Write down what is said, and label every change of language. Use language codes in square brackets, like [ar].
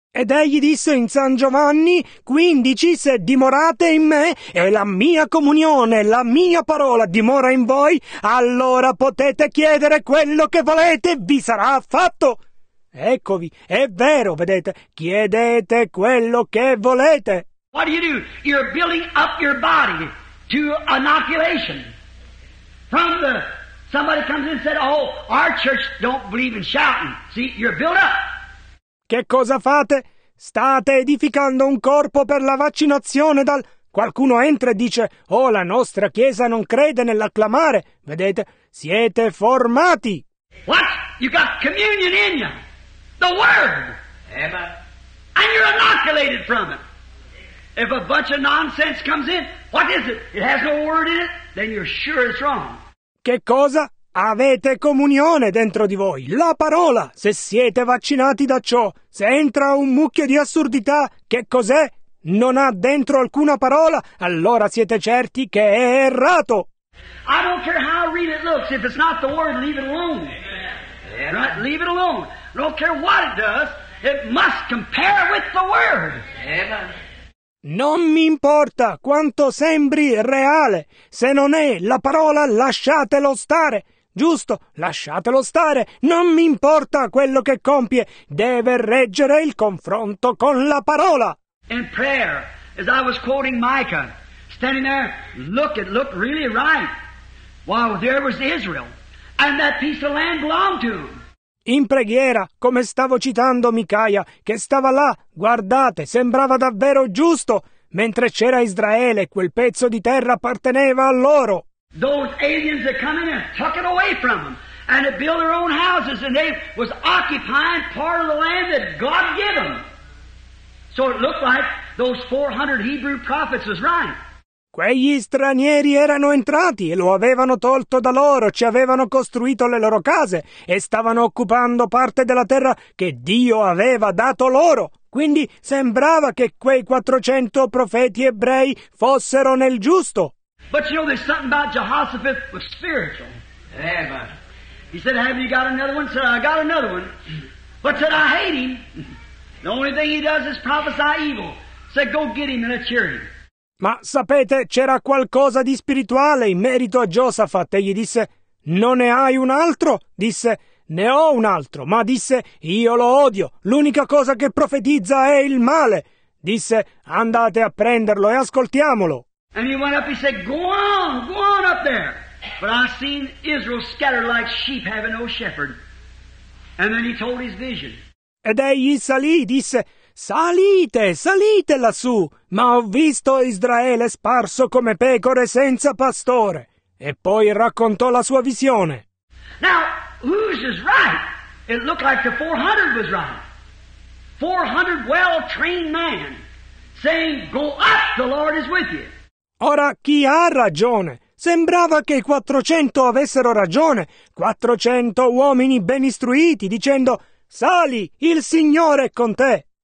[it] Ed egli disse in San Giovanni 15, se dimorate in me e la mia comunione, la mia parola dimora in voi, allora potete chiedere quello che volete, vi sarà fatto. Eccovi, è vero, vedete, chiedete quello che volete. [en] What do? You're building up your body to inoculation. From the, somebody comes in and said, oh, our church don't believe in shouting. See, you're built up. [it] Che cosa fate? State edificando un corpo per la vaccinazione dal... Qualcuno entra e dice, oh, la nostra chiesa non crede nell'acclamare. Vedete, siete formati. [en] What? You got communion in you. The Word. Amen. And you're inoculated from it. If a bunch of nonsense comes in, what is it? It has no Word in it? Then you're sure it's wrong. [it] Che cosa? Avete comunione dentro di voi, la parola, se siete vaccinati da ciò. Se entra un mucchio di assurdità, che cos'è? Non ha dentro alcuna parola, allora siete certi che è errato. [en] I don't care how real it looks, if it's not the Word, leave it alone. Amen. Right? Leave it alone. I don't care what it does, it must compare with the Word. Amen. [it] Non mi importa quanto sembri reale, se non è la parola, lasciatelo stare. Giusto, lasciatelo stare. Non mi importa quello che compie, deve reggere il confronto con la parola. [en] In prayer, as I was quoting Micah, standing there, look, it looked really right. while there was Israel, and that piece of land belonged to him. [it] In preghiera, come stavo citando Micaia, che stava là, guardate, sembrava davvero giusto, mentre c'era Israele, quel pezzo di terra apparteneva a loro. [en] Those aliens that come in and took it away from them, and they built their own houses, and they was occupying part of the land that God gave them. So it looked like those 400 Hebrew prophets was right. [it] Quegli stranieri erano entrati e lo avevano tolto da loro, ci avevano costruito le loro case e stavano occupando parte della terra che Dio aveva dato loro. Quindi sembrava che quei 400 profeti ebrei fossero nel giusto. [en] But you know, there's something about Jehoshaphat was spiritual. Amen. He said, have you got another one? Said, I got another one. But said, I hate him. The only thing he does is prophesy evil. Said, go get him and let's hear him. [it] Ma sapete, c'era qualcosa di spirituale in merito a Giosafat, e gli disse, non ne hai un altro? Disse, ne ho un altro, ma disse, io lo odio, l'unica cosa che profetizza è il male. Disse, andate a prenderlo e ascoltiamolo. [en] And he went up, he said, go on up there. But I seen Israel scattered like sheep having no shepherd. And then he told his vision. [it] Ed egli salì, disse, salite, salite lassù, ma ho visto Israele sparso come pecore senza pastore. E poi raccontò la sua visione. [en] Now, whose is right? It looked like the 400 was right. 400 well-trained men saying, go up, the Lord is with you. [it] Ora, chi ha ragione? Sembrava che i 400 avessero ragione. 400 uomini ben istruiti, dicendo, sali, il Signore è con te.